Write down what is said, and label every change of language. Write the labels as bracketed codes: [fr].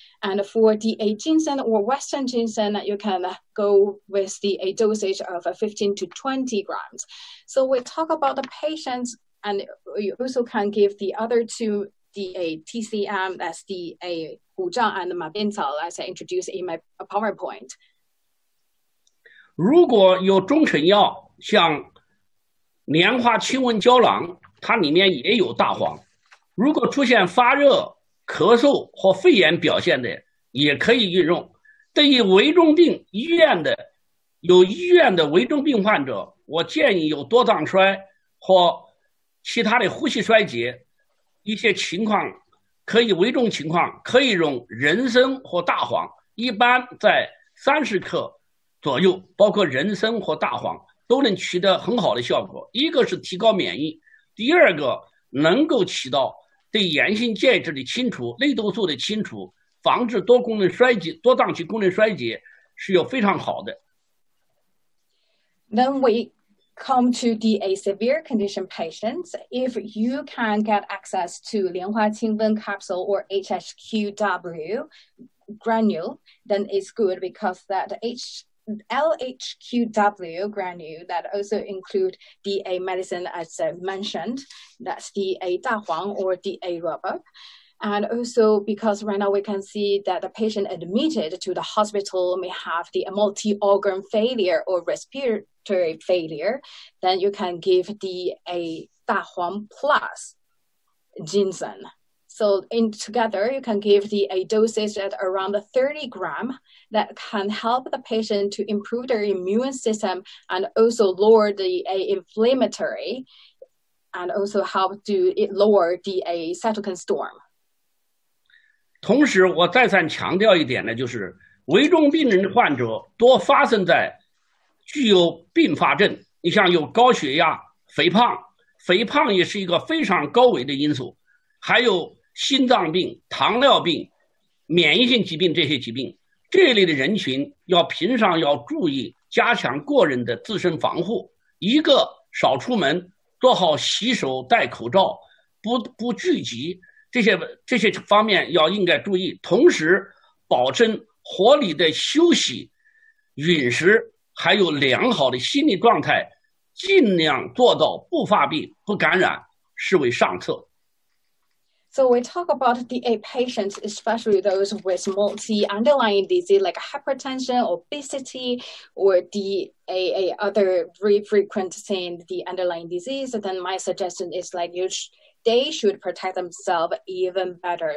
[en] And for the ginseng or Western ginseng, you can go with the dosage of 15 to 20 grams. So we talk about the patients, and you also can give the other two the TCM, that's the Hu Zhang and Ma Bian Cao, as I introduced in my PowerPoint. [zh] 如果有中成药，像莲花清瘟胶囊，它里面也有大黄。如果出现发热、咳嗽或肺炎表现的，也可以运用。对于危重病医院的，有医院的危重病患者，我建议有多脏衰或其他的呼吸衰竭。一些情况可以危重情况可以用人参或大黄，一般在30克左右，包括人参或大黄都能取得很好的效果。一个是提高免疫，第二个能够起到对炎性介质的清除、内毒素的清除，防止多功能衰竭、多脏器功能衰竭是有非常好的。 [en] Then we come to the severe condition patients, if you can get access to Lianhua Qingwen capsule or HHQW granule, then it's good because that LHQW granule that also include the medicine as mentioned, that's the Da Huang or the rubber. And also because right now we can see that the patient admitted to the hospital may have the multi-organ failure or respiratory failure, then you can give the a Dahuang plus ginseng. So in together, you can give the a dosage at around 30 gram that can help the patient to improve their immune system and also lower the a inflammatory and also help to lower the a cytokine storm. [zh] 同时我再三强调一点呢，就是危重病人的患者多发生在具有并发症，你像有高血压、肥胖，肥胖也是一个非常高危的因素，还有心脏病、糖尿病、免疫性疾病，这些疾病这一类的人群要平常要注意加强个人的自身防护，一个少出门，做好洗手、戴口罩，不聚集，这些方面要应该注意，同时保证合理的休息、饮食，还有良好的心理状态，尽量做到不发病、不感染，视为上策。 [en] So we talk about the A patients, especially those with multi-underlying disease like hypertension, obesity, or the a other very frequent thing, the underlying disease. Then my suggestion is like they should protect themselves even better.